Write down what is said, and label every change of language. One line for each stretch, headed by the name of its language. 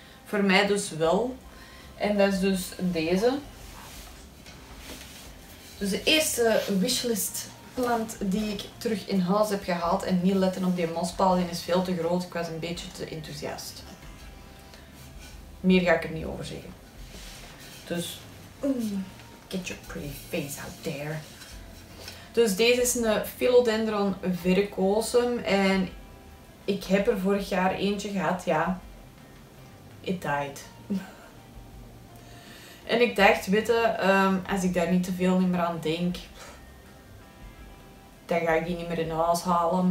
Dutch: Voor mij dus wel. En dat is dus deze. Dus de eerste wishlist plant die ik terug in huis heb gehaald. En niet letten op die mospaal, die is veel te groot. Ik was een beetje te enthousiast. Meer ga ik er niet over zeggen.
English: Dus, get your pretty face out there.
Dutch: Dus deze is een Philodendron Verrucosum. En ik heb er vorig jaar eentje gehad, ja,
English: it died.
Dutch: En ik dacht, witte, als ik daar niet te veel meer aan denk, dan ga ik die niet meer in huis halen.